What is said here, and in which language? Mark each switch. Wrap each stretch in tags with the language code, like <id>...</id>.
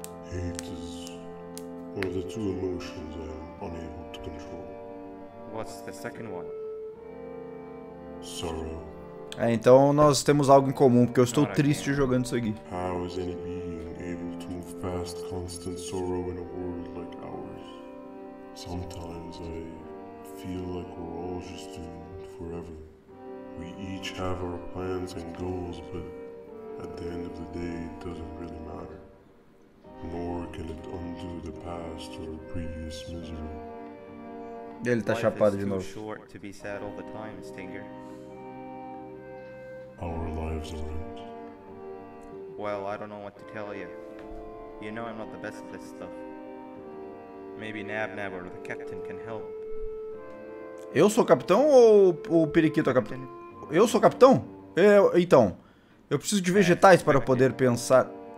<en>Hate is one of the two emotions I'm unable to control. What's the second one? Sorrow.</en> <pt>É, então nós temos algo em comum, porque eu estou triste jogando isso aqui.</pt> <en>How is any being able to move past constant sorrow in a world like ours? Sometimes I feel like we're all just doomed forever. We each have our plans and goals, but at the end of the day, it doesn't really matter. Nor can it undo the past or previous misery.</en> <pt>Ele tá chapado de novo.</pt> <en>Life is too short to be sad all the time, Stinger. Our lives aren't. Well, I don't know what to tell you. You know I'm not the best at this stuff. Maybe Nab-Nab or the captain can help.</en> <pt>Eu sou o capitão ou o periquito é capitão? Eu sou capitão? Então, eu preciso de vegetais para poder pensar.</pt>